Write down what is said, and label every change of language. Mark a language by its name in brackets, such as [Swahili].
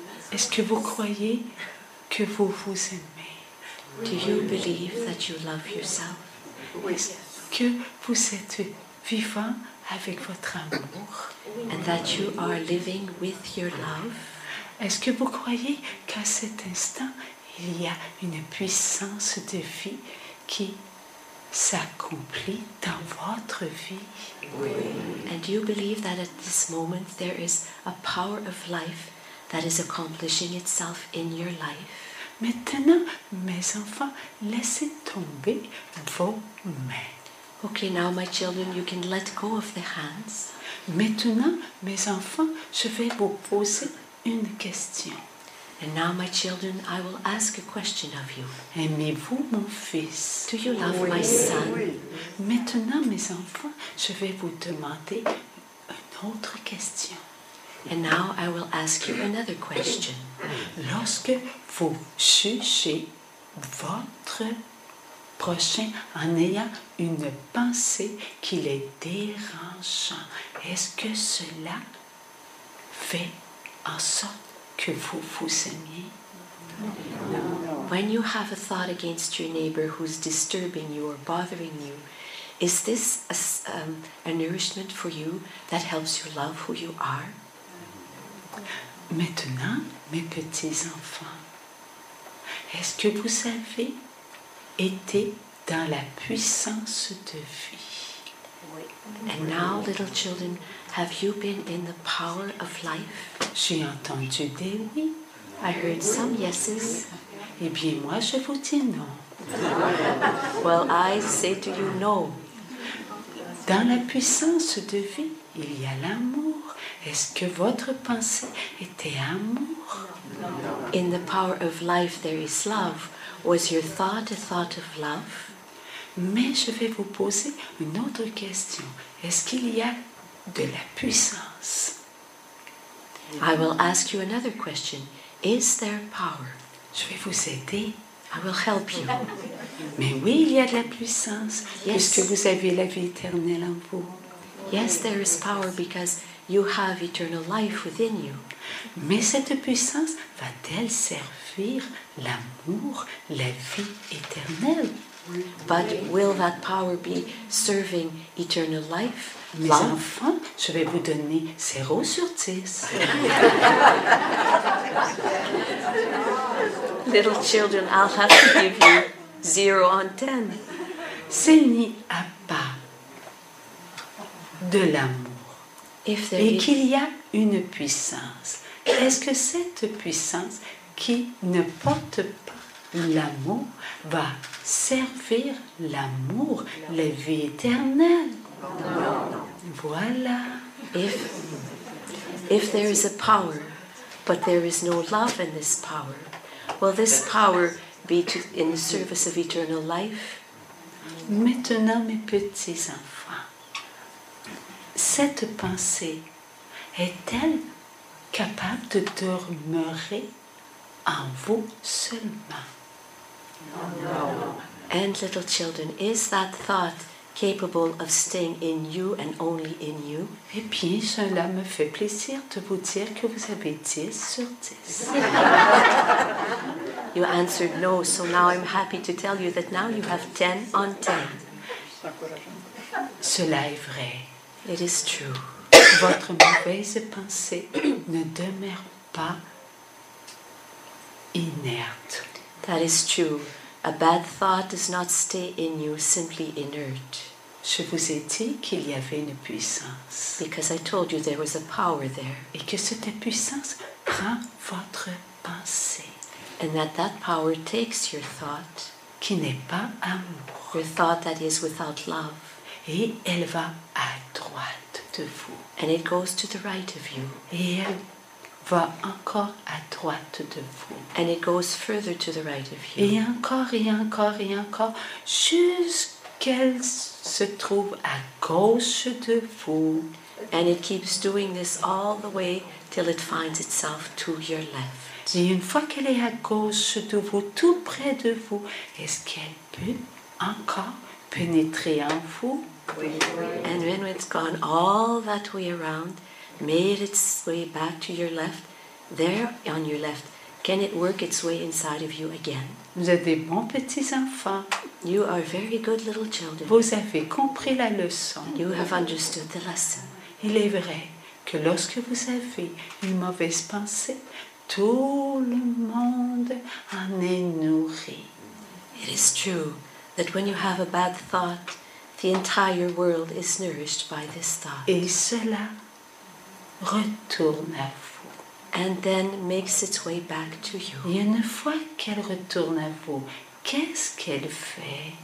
[French] Est-ce que vous croyez que vous vous aimez? [English] Do you believe that you love yourself? [French] Est-ce que vous êtes vivant avec votre amour? [English] And that you are living with your love? [French] Est-ce que vous croyez qu'à cet instant, il y a une puissance de vie qui s'accomplit dans votre vie? [English] And do you believe that at this moment there is a power of life that is accomplishing itself in your life? [French] Maintenant, mes enfants, laissez tomber vos mains. [English] Okay, now my children, you can let go of the hands. [French] Maintenant, mes enfants, je vais vous poser une question. [English] And now, my children, I will ask a question of you. [French] Aimez-vous mon fils? [English] Do you love my son? [French] Oui. Maintenant, mes enfants, je vais vous demander une autre question. [English] And now, I will ask you another question. [French] Lorsque vous jugez votre prochain en ayant une pensée qui les dérangeant, est-ce que cela fait en sorte que vous vous aimiez? [English] When you have a thought against your neighbor who's disturbing you or bothering you, is this a nourishment for you that helps you love who you are? [French] Maintenant, mes petits enfants, est-ce que vous avez été dans la puissance de vie? [English] And now, little children, have you been in the power of life? [French] J'ai entendu des oui. [English] I heard some yeses. [French] Eh bien, moi, je vous dis non. [English] Well, I say to you no. [French] Dans la puissance de vie, il y a l'amour. Est-ce que votre pensée était amour? [English] In the power of life, there is love. Was your thought a thought of love? [French] Mais je vais vous poser une autre question. Est-ce qu'il y a de la puissance? [English] I will ask you another question. Is there power? [French] Je vais vous aider. [English] I will help you. [French] Mais oui, il y a de la puissance. [English] Yes. [French] Puisque vous avez la vie éternelle en vous. [English] Yes, there is power because you have eternal life within you. [French] Mais cette puissance va-t-elle servir l'amour, la vie éternelle? [English] But will that power be serving eternal life? [French] Mes enfants, je vais vous donner 0 sur 10. [English] Little children, I'll have to give you 0 on 10. [French] S'il n'y a pas de l'amour et qu'il y a une puissance, est-ce que cette puissance qui ne porte pas l'amour va servir l'amour, la vie éternelle? Non. Voilà. [English] If there is a power, but there is no love in this power, Will this power be to, in the service of eternal life? [French] Maintenant, mes petits enfants, cette pensée est-elle capable de demeurer en vous seulement? [English] No. And little children, is that thought capable of staying in you and only in you? [French] Eh bien, cela me fait plaisir de vous dire que vous avez 10 sur 10. [English] You answered no, so now I'm happy to tell you that now you have 10 on 10. [French] Cela est vrai. [English] It is true. [French] Votre mauvaise pensée ne demeure pas inerte. [English] That is true. A bad thought does not stay in you, simply inert. [French] Je vous ai dit qu'il y avait une puissance. [English] Because I told you there was a power there. [French] Et que cette puissance prend votre pensée. [English] And that that power takes your thought. [French] Qui n'est pas amour. [English] Your thought that is without love. [French] Et elle va à droite de vous. [English] And it goes to the right of you. [French] Et elle va encore à droite de vous. [English] And it goes further to the right of you. [French] Et encore, et encore, et encore, jusqu'elle se trouve à gauche de vous. [English] And it keeps doing this all the way till it finds itself to your left. [French] Et une fois qu'elle est à gauche de vous, tout près de vous, est-ce qu'elle peut encore pénétrer en vous? Oui. [English] And when it's gone all that way around, made its way back to your left, there on your left, can it work its way inside of you again? [French] Vous êtes des bons petits enfants. [English] You are very good little children. [French] Vous avez compris la leçon. [English] You have understood the lesson. [French] Il est vrai que lorsque vous avez une mauvaise pensée, tout le monde en est nourri. [English] It is true that when you have a bad thought, the entire world is nourished by this thought. [French] Et cela retourne à vous. [English] And then makes its way back to you. [French] Et une fois qu'elle retourne à vous, qu'est-ce qu'elle fait?